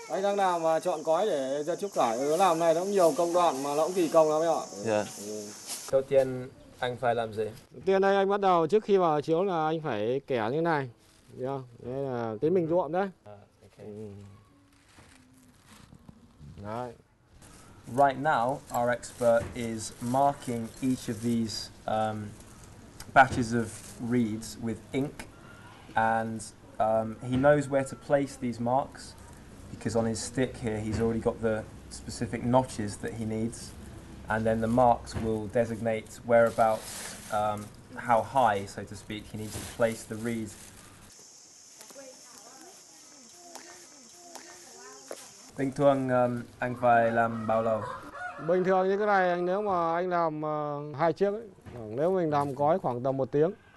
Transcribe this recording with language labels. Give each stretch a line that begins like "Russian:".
Vietnamese: Anh đang làm chọn cói để ra chúc giải. Nó làm này nó nhiều công đoạn mà nó cũng kỳ công lắm ạ. Dạ. Đầu tiên anh phải làm gì? Đầu tiên đây anh bắt đầu trước khi vào chiếu là anh phải kẻ như thế này. Dạ. Đây là cái mình ruộng đấy.
English: Okay. Right now, our expert is marking each of these batches of reeds with ink and he knows where to place these marks because on his stick here he's already got the specific notches that he needs, and then the marks will designate whereabouts, how high, so to speak, he needs to place the reed.
Vietnamese: Bình thường anh phải làm bao lâu? Bình thường như cái này anh nếu mà anh làm hai chiếc ấy, nếu mình làm gói khoảng tầm một tiếng.